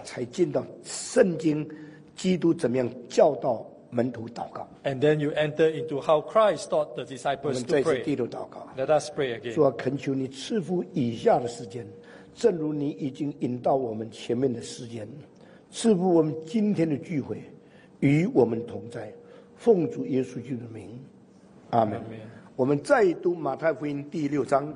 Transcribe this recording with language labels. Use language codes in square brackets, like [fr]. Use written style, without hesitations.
[zh] 才进到圣经，基督怎么样教导门徒祷告。 [en] And then you enter into how Christ taught the disciples to pray. [zh] 我们再次低头祷告。 [en] Let us pray again. [zh] 主啊，恳求你赐福以下的时间。正如你已经引导我们前面的时间，赐福我们今天的聚会，与我们同在，奉主耶稣基督的名，阿门。我们再读马太福音第六章。